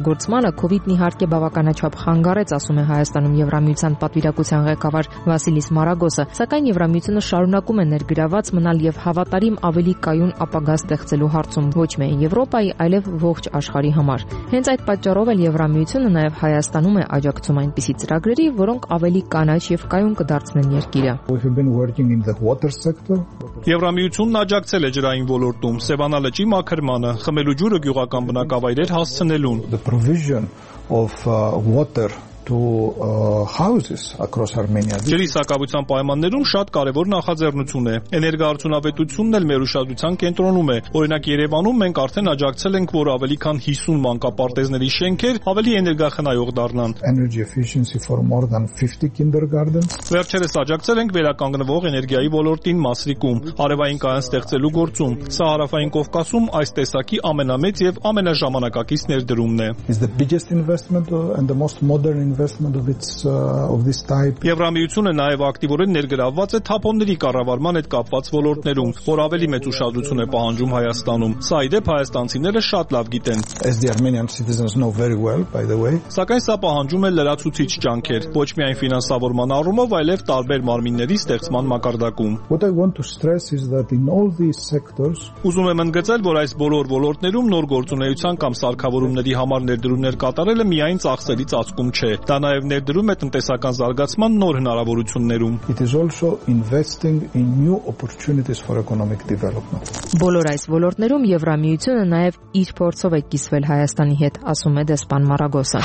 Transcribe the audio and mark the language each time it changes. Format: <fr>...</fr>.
<hy>օգտագործմանը COVID-ն իհարկե բավականաչափ խանգարեց, ասում է Հայաստանում Եվրամիության պատվիրակության ղեկավար Վասիլիս Մարագոսը, սակայն Եվրամիությունը շարունակում է ներգրաված մնալ եւ հավատարիմ ավելի կայուն ապագա ստեղծելու հարցում ոչ միայն Եվրոպայի, այլև ողջ աշխարհի համար։ Հենց այդ պատճառով էլ Եվրամիությունը նաեւ Հայաստանում է աջակցում այնպիսի ծրագրերի, որոնք ավելի կանաչ եւ կայուն կդարձնեն երկիրը։ Եվրամիությունն աջակցել է ջրային ոլորտում, Սևանալճի մաքրմանը, խմելու ջուրը գյուղական բնակավայրեր հասցնելուն.</hy> <en>The provision of water to houses across Armenia.</en> <hy>Ջրի սակավության պայմաններում շատ կարևոր նախաձեռնություն է։ Էներգաարդյունավետությունն էլ մեր ուշադրության կենտրոնում է։ Օրինակ Երևանում մենք արդեն աջակցել ենք, որ ավելի քան 50 մանկապարտեզների շենքեր ավելի էներգախնայող դառնան։</hy> <en>Energy efficiency for more than 50 kindergartens.</en> <hy>Վերջերս աջակցել ենք վերականգնվող էներգիայի ոլորտին Մասրիկում, արևային կայան ստեղծելու գործում։ Սա հարավային Կովկասում այս տեսակի ամենամեծ եւ ամենաժամանակակից ներդրումն է։</hy> <en>Is the biggest investment and the most modern investment of its of this type.</en> <hy>Եվրամիությունը նաև ակտիվորեն ներգրավված է թափոնների կառավարման այդ կապված ոլորտներում, որ ավելի մեծ ուշադրություն է պահանջում Հայաստանում։ Սա իդեպ հայաստանցիները շատ լավ գիտեն.</hy> <en>As the Armenian citizens know very well, by the way.</en> <hy>Սակայն սա պահանջում է լրացուցիչ ճանկեր, ոչ միայն ֆինանսավորման առումով, այլև տարբեր մարմինների ստեղծման մակարդակում։</hy> <en>What I want to stress is that in all these sectors.</en> <hy>Ուզում եմ ընդգծել, որ այս բոլոր ոլորտներում նոր գործունեության կամ սարքավորումների համար ներդրումներ կատարելը միայն ծախսերի ծածկում չէ, դա նաև ներդրում է տնտեսական զարգացման նոր հնարավորություններում։</hy> <en>It is also investing in new opportunities for economic development.</en> <hy>Բոլոր այս ոլորտներում Եվրամիությունը նաև իր փորձով է կիսվել Հայաստանի հետ, ասում է Դեսպան Մարագոսը։</hy>